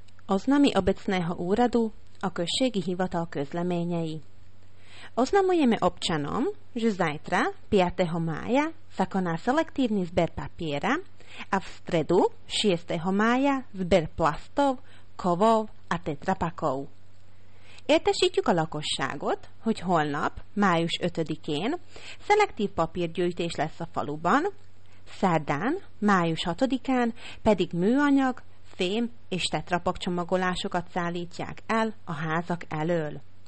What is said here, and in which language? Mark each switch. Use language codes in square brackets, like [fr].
[sk] Oznami obecného úradu, [hu] a községi hivatal közleményei. [sk] Oznamujeme občanom, že zajtra, 5. mája, sa koná selektívny zber papiera a v stredu, 6. mája, zber plastov, kovov a tetrapakov. [hu] Értesítjük a lakosságot, hogy holnap, május 5-én, szelektív papírgyűjtés lesz a faluban, szerdán, május 6-án pedig műanyag, fém és tetrapak csomagolásokat szállítják el a házak elől.